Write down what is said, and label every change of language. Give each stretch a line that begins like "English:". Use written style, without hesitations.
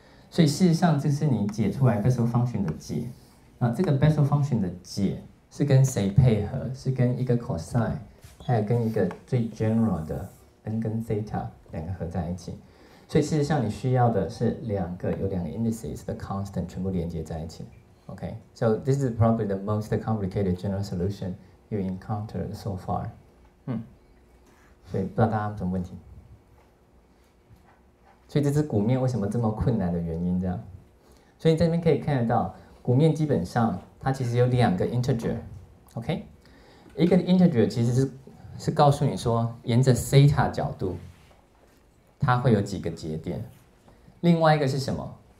Chinese: 所以事实上，这是你解出来 Bessel function 的解。那这个 Bessel function 的解是跟谁配合？是跟一个 cosine， 还有跟一个最 general 的 n 跟 theta 两个合在一起。所以事实上，你需要的是两个有两个 indices 的 constant 全部连接在一起。
English: OK， so this is probably the most complicated general solution you encountered so far。
Chinese: 所以不知道大家有什么问题。所以这只鼓面为什么这么困难的原因，这样。所以在这边可以看得到，鼓面基本上它其实有两个 integer， OK， 一个 integer 其实 是告诉你说，沿着 theta 角度，它会有几个节点。另外一个是什么？